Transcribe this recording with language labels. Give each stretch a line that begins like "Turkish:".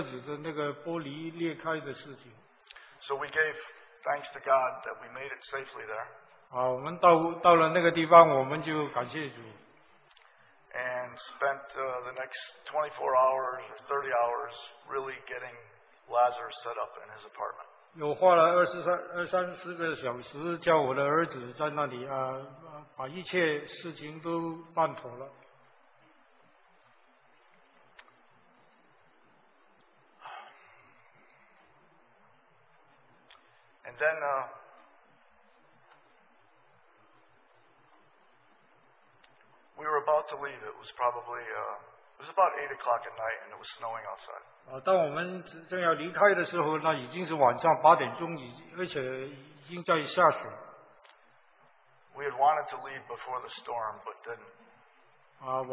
Chinese: 当我们在路上整个旅程的里面，我都忘了这个车子的那个玻璃裂开的事情。
English: So we gave thanks to God that we made it safely there.
Chinese: 我们到了那个地方，我们就感谢主。
English: And spent the next 24 hours or 30 hours really getting Lazarus set up in his apartment.
Chinese: 又花了二三十个小时，叫我的儿子在那里把一切事情都办妥了。
English: And then, we were about to leave. It was probably it was about 8 o'clock at night, and it was snowing outside.
Chinese: 当我们正要离开的时候，那已经是晚上八点钟，而且已经在下雪。
English: We had wanted to leave before the storm, but then.